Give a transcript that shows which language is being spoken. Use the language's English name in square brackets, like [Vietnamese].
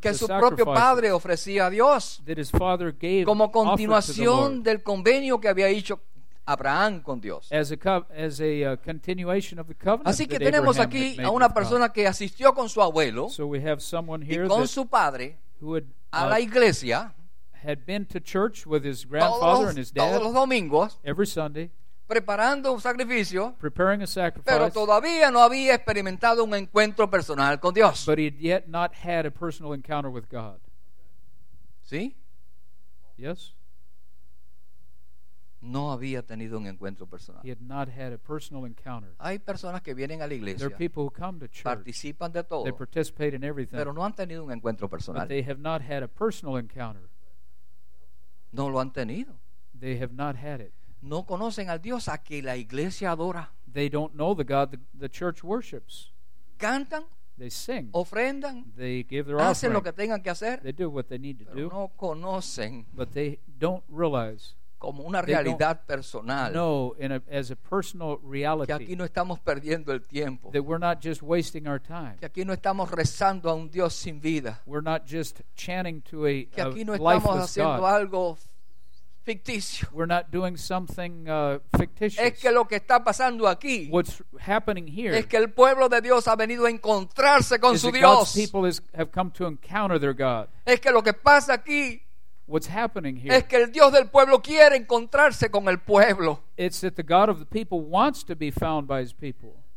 [Spanish] que su propio padre ofrecía a Dios [English] that his father gave [Spanish] como continuación del convenio que había hecho Abraham con Dios. [English] As a continuation of the covenant. [Spanish] Así que tenemos aquí a una persona que asistió con su abuelo [English] so we have someone here [Spanish] y con [English] that, [Spanish] su padre [English] who had, [Spanish] a la iglesia [English] had been to church with his grandfather and his dad [Spanish] todos los domingos, [English] every Sunday [Spanish] preparando un sacrificio, [English] preparing a sacrifice, [Spanish] pero todavía no había experimentado un encuentro personal con Dios. [English] But he had yet not had a personal encounter with God. [Spanish] ¿Sí? [English] Yes. [Spanish] No había tenido un encuentro personal. [English] He had not had a personal encounter. [Spanish] Hay personas que vienen a la iglesia. [English] There are people who come to church. [Spanish] Participan de todo. [English] They participate in everything. [Spanish] Pero no han tenido un encuentro personal. [English] But they have not had a personal encounter. [Spanish] No lo han tenido. [English] They have not had it. [Spanish] No conocen al Dios a que la iglesia adora. [English] They don't know the God the church worships. [Spanish] Cantan. [English] They sing. [Spanish] Ofrendan. [English] They give their offering. [Spanish] Hacen lo que tengan que hacer. [English] They do what they need to [Spanish] pero No conocen. [English] But they don't realize. [Spanish] Como una realidad personal. [English] No, as a personal reality. [Spanish] Que aquí no estamos perdiendo el tiempo. [English] That we're not just wasting our time. [Spanish] Que aquí no estamos rezando a un Dios sin vida. [English] We're not just chanting to a lifeless God. [Spanish] Que aquí no estamos haciendo algo ficticio. [English] We're not doing something fictitious. [Spanish] Es que lo que está pasando aquí. [English] What's happening here. [Spanish] Es que el pueblo de Dios ha venido a encontrarse con su Dios. [English] God's people have come to encounter their God. [Spanish] Es que lo que pasa aquí. [English] What's happening here? [Spanish] Es que el Dios del pueblo quiere encontrarse con el pueblo. [English] It's that the God of the people wants to be found by his people.